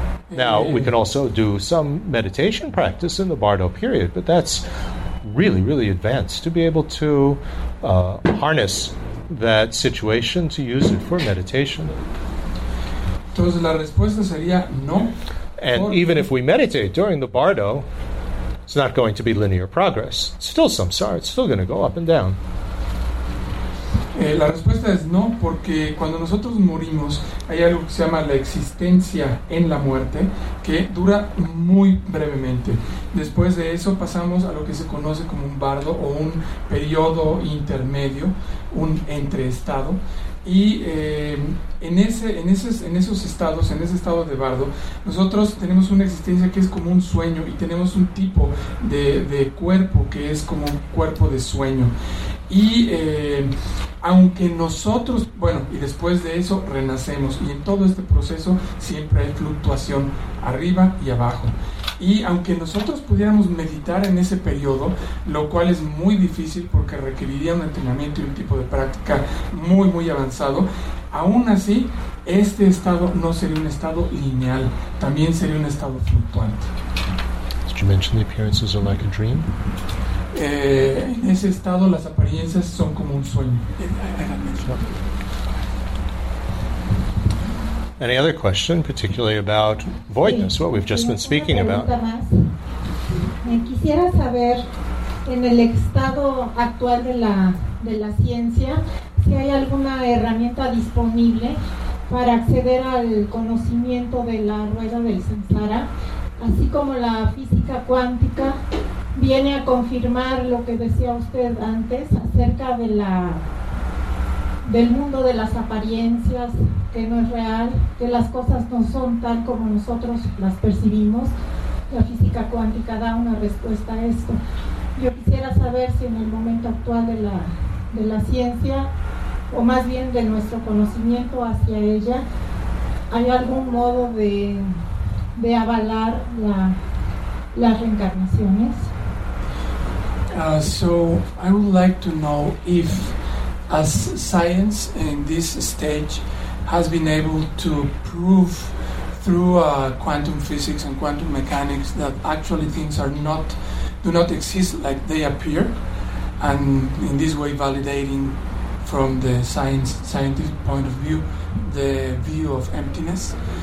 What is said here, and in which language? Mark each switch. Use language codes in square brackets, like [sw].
[en] Now, we can also do some meditation practice in the bardo period, but that's really, really advanced to be able to harness that situation to use it for meditation. [es] Entonces, la respuesta sería no. [en] And even if we meditate during the bardo, it's not going to be linear progress. It's still samsara. It's still going to go up and down. [es] La respuesta es no, porque cuando nosotros morimos, hay algo que se llama la existencia en la muerte, que dura muy brevemente. Después de eso pasamos a lo que se conoce como un bardo o un periodo intermedio, un entreestado. Y en esos estados, en ese estado de bardo, nosotros tenemos una existencia que es como un sueño y tenemos un tipo de cuerpo que es como un cuerpo de sueño. Y aunque nosotros, bueno, y después de eso renacemos, y en todo este proceso siempre hay fluctuación arriba y abajo. Y aunque nosotros pudiéramos meditar en ese periodo, lo cual es muy difícil porque requeriría un entrenamiento y un tipo de práctica muy, muy avanzado, aún así, este estado no sería un estado lineal, también sería un estado fluctuante. [en] Did you mention the appearances are like a dream? [es] En ese estado las apariencias son como un sueño. [en] Any other question, particularly about voidness, what we've just been speaking about? [es] Quisiera saber, en el estado actual de la ciencia, si hay alguna herramienta disponible para acceder al conocimiento de la rueda del samsara, así como la física cuántica viene a confirmar lo que decía usted antes acerca de la del mundo de las apariencias, que no es real, que las cosas no son tal como nosotros las percibimos. La física cuántica da una respuesta a esto. Yo quisiera saber si en el momento actual de la ciencia, o más bien de nuestro conocimiento hacia ella, hay algún modo de avalar las reencarnaciones. [en] So I would like to know if as science in this stage has been able to prove through quantum physics and quantum mechanics that actually things do not exist like they appear, and in this way validating from the scientific point of view the view of emptiness.